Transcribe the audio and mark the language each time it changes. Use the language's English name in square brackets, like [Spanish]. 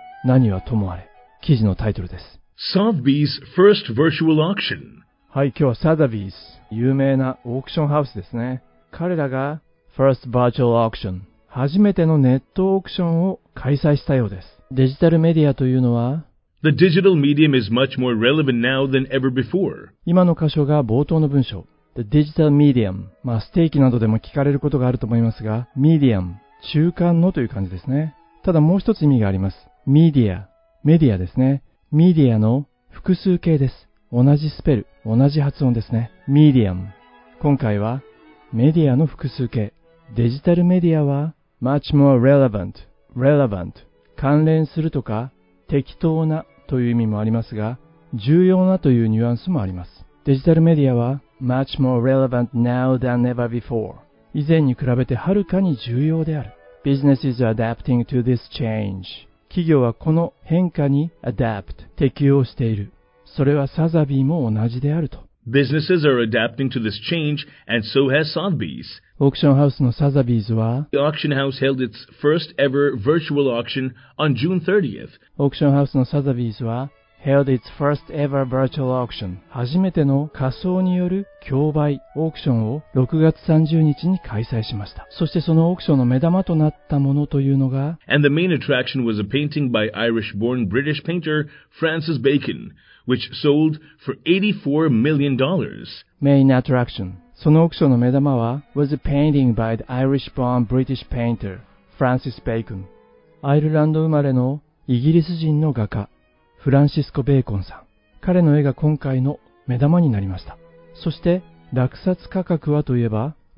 [Japanese] 何はともあれ、記事のタイトルです。 [English] Sotheby's First Virtual Auction。 [Japanese] はい、今日は Sotheby's、有名なオークションハウスですね。彼らが [English] First Virtual Auction、 [Japanese] 初めてのネットオークションを開催したようです。デジタルメディアというのは、 [English] The digital medium is much more relevant now than ever before. [Japanese] 今の箇所が冒頭の文章。 [English] The digital medium. [Japanese] まあ、ステーキなどでも聞かれることがあると思いますが、medium、中間のという感じですね。ただもう一つ意味があります。media、メディアですね。 media の複数形です。同じスペル、同じ発音ですね。 [English] medium。 [Japanese] 今回は、メディアの複数形。デジタルメディアは、 [English] much more relevant。 relevant。 [Japanese] 関連するとか、適当なという意味もありますが、重要なというニュアンスもあります。デジタルメディアは、 [English] much more relevant now than ever before。 [Japanese] 以前に比べてはるかに重要である。 [English] Business is adapting to this change。 [Japanese] 企業はこの変化に adapt、適応している。それはサザビーも同じであると。 [English] Businesses are adapting to this change, and so has Sotheby's. [Japanese] オークションハウスのサザビーズは、 [English] The auction house held its first ever virtual auction on June 30th. [Japanese] オークションハウスのサザビーズは、 [English] held its first ever virtual auction. [Japanese] 初めての仮想による競売オークションを6月30日に開催しました。そしてそのオークションの目玉となったものというのが、 [English] And the main attraction was a painting by Irish-born British painter Francis Bacon. Which sold for $84 million. Main attraction. [Japanese] そのオークションの目玉は [English] was a painting by the Irish-born British painter Francis Bacon. [Japanese] アイルランド生まれのイギリス人の画家フランシスコ・ベーコンさん。彼の絵が今回の目玉になりました。そして落札価格はといえば